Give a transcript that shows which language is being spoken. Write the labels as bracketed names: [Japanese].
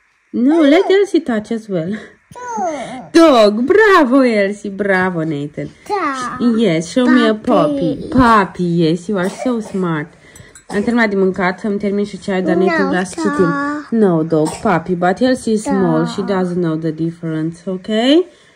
[English] No, let Elsie touch as well. Dog, bravo Elsie, bravo Nathan. Yes, show me a puppy. Puppy, yes, you are so smart. [Romanian] Am terminat de mâncat, am terminat și ceai, dar Nathan vrea să citim. [English] No, dog, puppy, but Elsie is small. She doesn't know the difference, okay?